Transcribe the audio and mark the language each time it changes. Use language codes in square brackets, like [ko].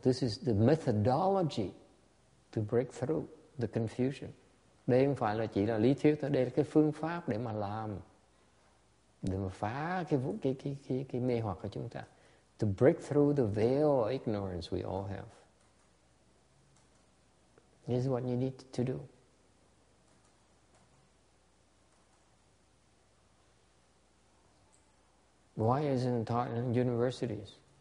[en] This is the methodology to break through the confusion. [vi] Đây không phải là chỉ là lý thuyết, đây là cái phương pháp để mà làm, để mà phá cái mê hoặc của chúng ta. [en] To break through the veil of ignorance we all have. This is what you need to do. Why isn't it taught in universities?